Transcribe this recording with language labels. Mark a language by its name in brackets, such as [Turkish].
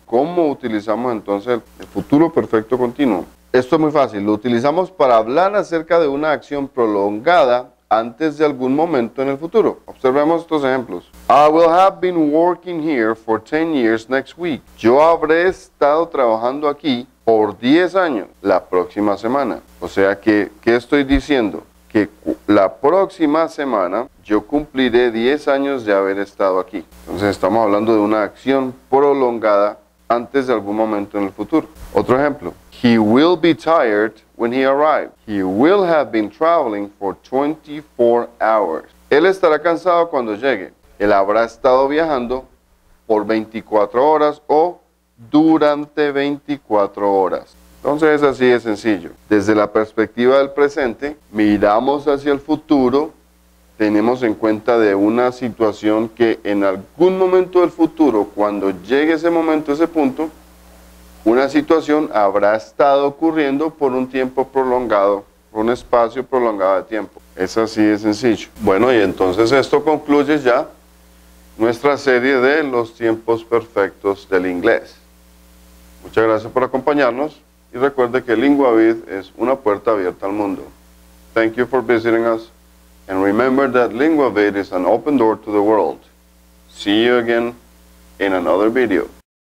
[Spanish] ¿Cómo utilizamos entonces el futuro perfecto continuo? Esto es muy fácil. Lo utilizamos para hablar acerca de una acción prolongada antes de algún momento en el futuro. Observemos estos ejemplos. [English] I will have been working here for 10 years next week. [Spanish] Yo habré estado trabajando aquí por 10 años la próxima semana. O sea que, ¿qué estoy diciendo? Que la próxima semana yo cumpliré 10 años de haber estado aquí. Entonces estamos hablando de una acción prolongada antes de algún momento en el futuro. Otro ejemplo. [English] He will be tired when he arrives. He will have been traveling for 24 hours. [Spanish] Él estará cansado cuando llegue. Él habrá estado viajando por 24 horas o durante 24 horas. Entonces es así de sencillo. Desde la perspectiva del presente, miramos hacia el futuro tenemos en cuenta de una situación que en algún momento del futuro, cuando llegue ese momento, ese punto, una situación habrá estado ocurriendo por un tiempo prolongado, por un espacio prolongado de tiempo. Es así de sencillo. Bueno, y entonces esto concluye ya nuestra serie de los tiempos perfectos del inglés. Muchas gracias por acompañarnos y recuerde que LinguaVid es una puerta abierta al mundo. [English] Thank you for visiting us and remember that LinguaVid is an open door to the world. See you again in another video.